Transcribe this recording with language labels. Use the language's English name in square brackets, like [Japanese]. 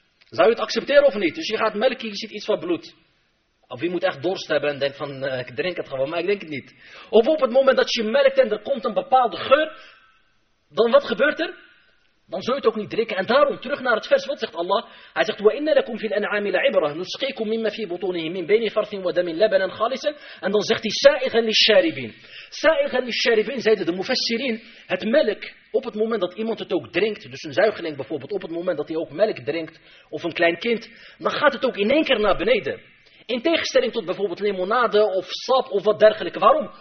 [Dutch] Zou je het accepteren of niet? Dus je gaat melken en je ziet iets van bloed. Of je moet echt dorst hebben en denkt van ik drink het gewoon, maar ik denk het niet. Of op het moment dat je melkt en er komt een bepaalde geur, dan wat gebeurt er? Dan zul je het ook niet drinken. En daarom terug naar het vers, wat zegt Allah? Hij zegt, [Arabic] وَإِنَّ لَكُمْ فِي الْأَنْعَامِ لَعِبْرَةً نُسْقِيكُمْ مِمَّ فِي بُطُونِهِمْ مِنْ بَيْنِ فَرْثٍ وَدَمٍ لَبَنًا خَالِصًا. [Dutch] En dan zegt hij, [Arabic] سَائِغًا لِلشَّارِبِينَ. سَائِغًا لِلشَّارِبِينَ, [Dutch] zeiden de mufassirin, het melk, op het moment dat iemand het ook drinkt, dus een zuigeling bijvoorbeeld, op het moment dat hij ook melk drinkt, of een klein kind, dan gaat het ook in één keer naar beneden. In tegenstelling tot bijvoorbeeld limonade of sap of wat dergelijke. Waarom?